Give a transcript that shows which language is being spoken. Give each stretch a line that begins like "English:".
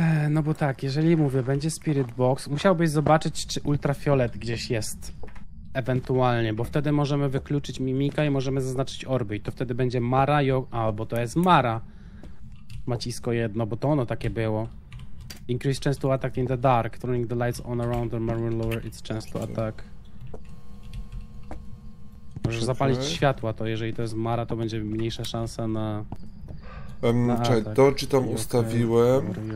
Polish: No bo tak, jeżeli mówię, będzie Spirit Box, musiałbyś zobaczyć, czy ultrafiolet gdzieś jest. Ewentualnie, bo wtedy możemy wykluczyć mimika i możemy zaznaczyć orby. I to wtedy będzie Mara, albo to jest Mara. Macisko jedno, bo to ono takie było.
English: Increase chance to attack in the dark, turning the lights on around the maroon lower its chance to attack.
Polish: Możesz zapalić światła, to jeżeli to jest Mara, to będzie mniejsza szansa na... Czekaj, Dodge tam ustawiłem.